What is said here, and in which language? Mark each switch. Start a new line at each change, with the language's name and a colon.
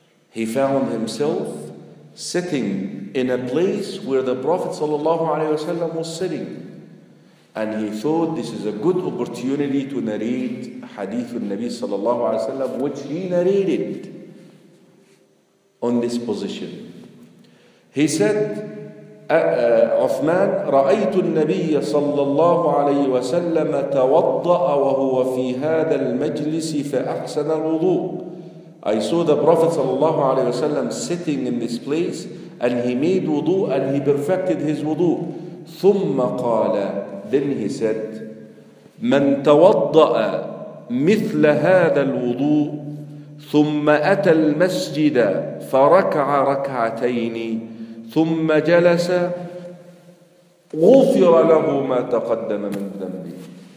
English: He found himself sitting in a place where the Prophet ﷺ was sitting. And he thought this is a good opportunity to narrate hadith al-Nabi sallallahu alayhi wa sallam, which he narrated on this position. He said,
Arabic: Uthman, رأيت النبي صلى الله عليه وسلم توضأ وهو في هذا المجلس فأحسن الوضوء.
English: I saw the Prophet
Arabic: صلى الله عليه وسلم
English: sitting in this place, and he made wudu and he perfected his wudu.
Arabic: ثم قال,
English: then he said,
Arabic: من توضأ مثل هذا الوضوء ثم أتى المسجد فركع ركعتين ثم جلس غفر له ما تقدم من ذنبه.